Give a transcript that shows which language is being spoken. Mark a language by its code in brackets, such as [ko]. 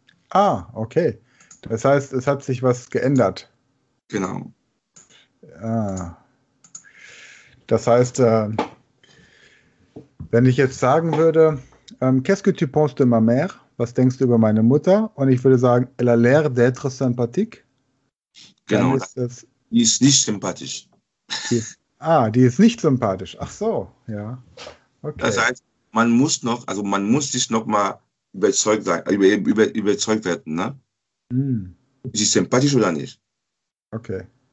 [de] Ah, okay. Das heißt, es hat sich was geändert. Genau. Ah. Das heißt, wenn ich jetzt sagen würde, [fr] qu'est-ce que tu penses de ma mère? [de] Was denkst du über meine Mutter? Und ich würde sagen, [fr] elle a l'air d'être sympathique. [de] Genau. Die ist nicht sympathisch. Die ist nicht sympathisch. Ach so, ja. Okay. Das heißt, man muss sich noch mal überzeugt sein, überzeugt werden, ne? Ist sie sympathisch oder nicht? Okay.